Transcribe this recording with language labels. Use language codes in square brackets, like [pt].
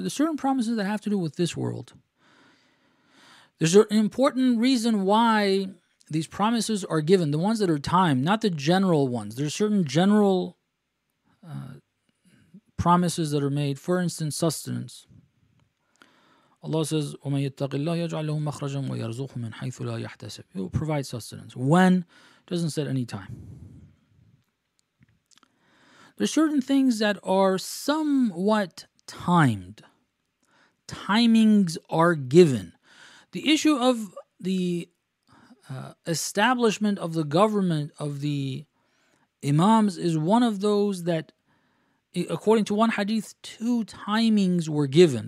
[en] There's certain promises that have to do with this world. There's an important reason why these promises are given, the ones that are time, not the general ones. There's certain general promises that are made. For instance, sustenance. Allah says, [ar] وَمَن يَتَّقِ اللَّهِ يَجْعَلْ لَهُ مَخْرَجًا وَيَرْزُقْهُ مِنْ حَيْثُ لَا يَحْتَسِبْ. [en] It will provide sustenance. When? Doesn't set any time. There's certain things that are somewhat timed. Timings are given. The issue of the establishment of the government of the imams is one of those that, according to one hadith, two timings were given.